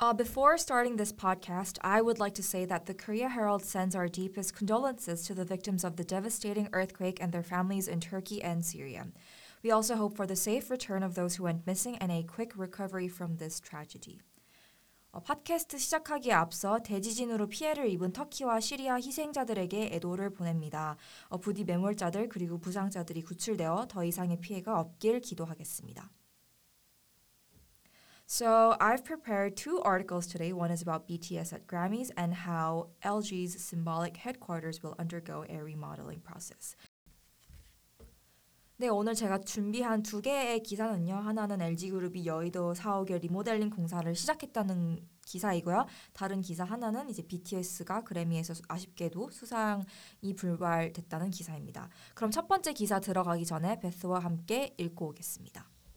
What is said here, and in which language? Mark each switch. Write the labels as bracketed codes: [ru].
[en] Before starting this podcast, I would like to say that the Korea Herald sends our deepest condolences to the victims of the devastating earthquake and their families in Turkey and Syria. We also hope for the safe return of those who went missing and a quick recovery from this tragedy. [ko] 팟캐스트 시작하기에 앞서 대지진으로 피해를 입은 터키와 시리아 희생자들에게 애도를 보냅니다. 부디 매몰자들 그리고 부상자들이 구출되어 더 이상의 피해가 없길 기도하겠습니다. [en] So I've prepared two articles today. One is about BTS at Grammys and how LG's symbolic headquarters will undergo a remodeling process. [ko] 네, 오늘 제가 준비한 두 개의 기사는요. 하나는 LG그룹이 여의도 사옥의 리모델링 공사를 시작했다는 기사이고요. 다른 기사 하나는 이제 BTS가 그래미에서 아쉽게도 수상이 불발됐다는 기사입니다. 그럼 첫 번째 기사 들어가기 전에 베스와 함께 읽고 오겠습니다.